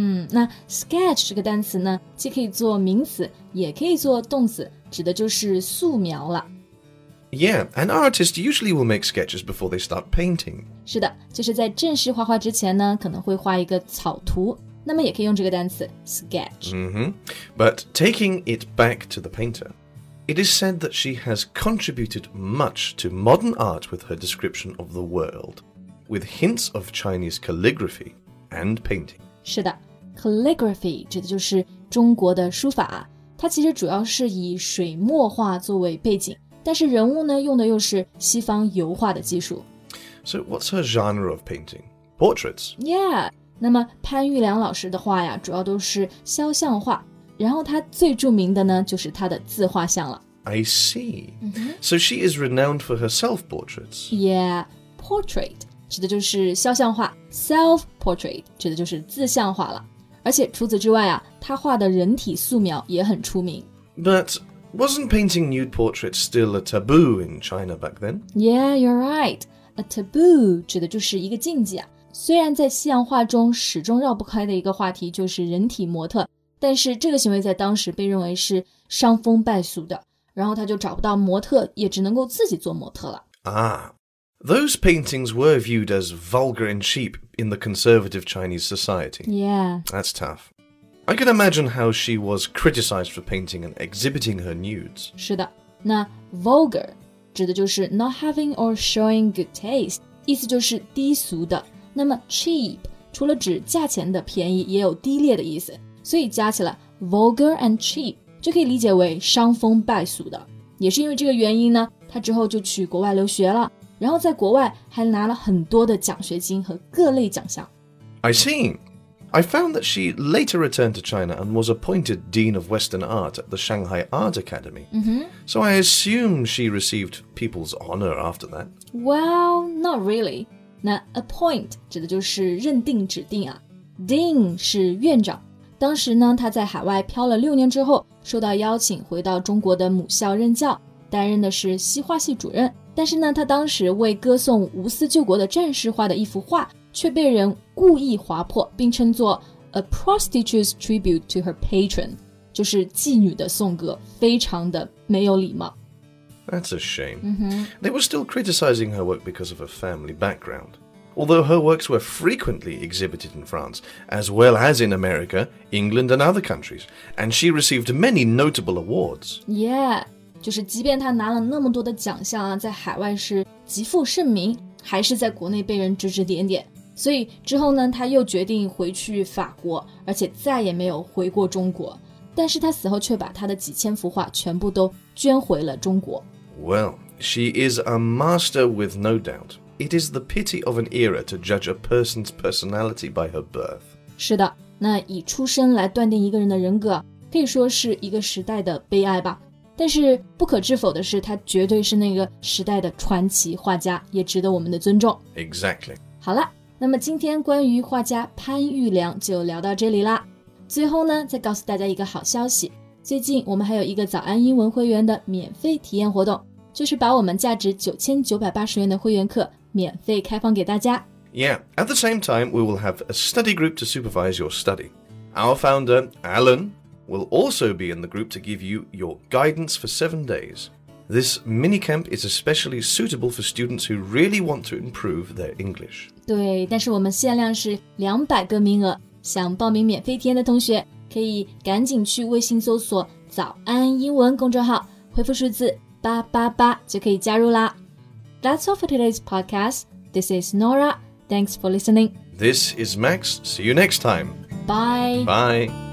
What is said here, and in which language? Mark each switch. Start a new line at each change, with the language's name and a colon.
Chinese: 那 sketch 这个单词呢，既可以做名词，也可以做动词，指的就是素描了。
English: Yeah, an artist usually will make sketches before they start painting.
Chinese: 是的，就是在正式画画之前呢，可能会画一个草图，那么也可以用这个单词 sketch. Mm-hmm.
English: But taking it back to the painter, it is said that she has contributed much to modern art with her description of the world, with hints of Chinese calligraphy and painting.
Chinese: 是的 ，calligraphy 指的就是中国的书法，它其实主要是以水墨画作为背景，但是人物呢用的又是西方油画的技术。
English: So what's her genre of painting? Portraits?
Chinese: Yeah, 那么潘玉良老师的画呀主要都是肖像画，然后他最著名的呢就是他的自画像了。
English: I see.、Mm-hmm. So she is renowned for her self-portraits.
Chinese: Yeah, portrait 指的就是肖像画， self-portrait 指的就是自像画了。而且除此之外啊，他画的人体素描也很出名。
English: But wasn't painting nude portraits still a taboo in China back then? Yeah, you're right.
Chinese: A taboo 指的就是一个禁忌啊。虽然在西洋画中始终绕不开的一个话题就是人体模特，但是这个行为在当时被认为是伤风败俗的，然后他就找不到模特，也只能够自己做模特了。
English: Ah, those paintings were viewed as vulgar and cheap in the conservative Chinese society. Yeah. That's tough. I can imagine how she was criticized for painting and exhibiting her nudes.
Chinese: 是的，那 vulgar... 指的就是
English: not having or showing good taste,
Chinese: 意思就是低俗的。那么 cheap, 除了指价钱的便宜也有低劣的意思。所以加起来
English: vulgar and cheap,
Chinese: 就可以理解为伤风败俗的。也是因为这个原因呢，他之后就去国外留学了，然后在国外还拿了很多的奖学金和各类奖项。
English: I see. I found that she later returned to China and was appointed Dean of Western Art at the Shanghai Art Academy. So I assume she received people's honor after that. Well, not really.
Chinese: 那 appoint 指的就是认定指定啊。 Dean 是院长。当时呢他在海外漂了六年之后受到邀请回到中国的母校任教，担任的是西画系主任。但是呢他当时为歌颂无私救国的战士画的一幅画却被人故意划破，并称作
English: A prostitute's tribute to her patron，
Chinese: 就是妓女的颂歌，非常的没有礼貌。
English: That's a shame.、Mm-hmm. They were still criticizing her work because of her family background. Although her works were frequently exhibited in France, as well as in America, England and other countries, and she received many notable awards.
Chinese: Yeah, 就是即便她拿了那么多的奖项啊，在海外是极负盛名，还是在国内被人指指点点。所以之后呢他又决定回去法国，而且再也没有回过中国，但是他死后却把他的几千幅画全部都捐回了中国。
English: Well, she is a master with no doubt. It is the pity of an era to judge a person's personality by her birth.
Chinese: 是的，那以出身来断定一个人的人格可以说是一个时代的悲哀吧，但是不可置否的是他绝对是那个时代的传奇画家，也值得我们的尊重。
English: Exactly.
Chinese: 好了，那么今天关于画家潘玉良就聊到这里啦。最后呢再告诉大家一个好消息，最近我们还有一个早安英文会员的免费体验活动，就是把我们价值9980元的会员课免费开放给大家。
English: Yeah, at the same time we will have a study group to supervise your study. Our founder, Alan, will also be in the group to give you your guidance for 7 days. This mini camp is especially suitable for students who really want to improve their English.
Chinese: 对，但是我们限量是200个名额，想报名免费体验的同学可以赶紧去微信搜索早安英文公众号，回复数字888就可以加入啦。
English: That's all for today's podcast. This is Nora. Thanks for listening. This is Max. See you next time. Bye. Bye.